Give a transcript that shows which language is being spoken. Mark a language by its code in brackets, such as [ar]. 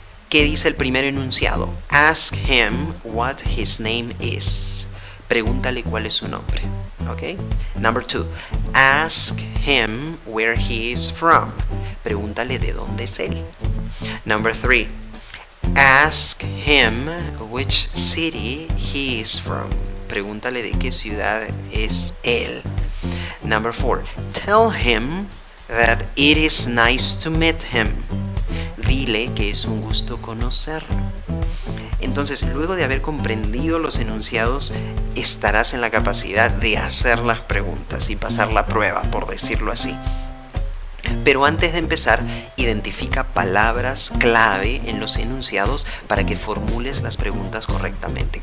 [es] ¿Qué dice el primer enunciado? [en] Ask him what his name is. [es] Pregúntale cuál es su nombre. [en] Okay? Number two. Ask him where he is from. [es] Pregúntale de dónde es él. [en] Number three. Ask him which city he is from. [es] Pregúntale de qué ciudad es él. [en] Number four. Tell him that it is nice to meet him. [es] Dile que es un gusto conocerlo. Entonces, luego de haber comprendido los enunciados, estarás en la capacidad de hacer las preguntas y pasar la prueba, por decirlo así. Pero antes de empezar, identifica palabras clave en los enunciados para que formules las preguntas correctamente.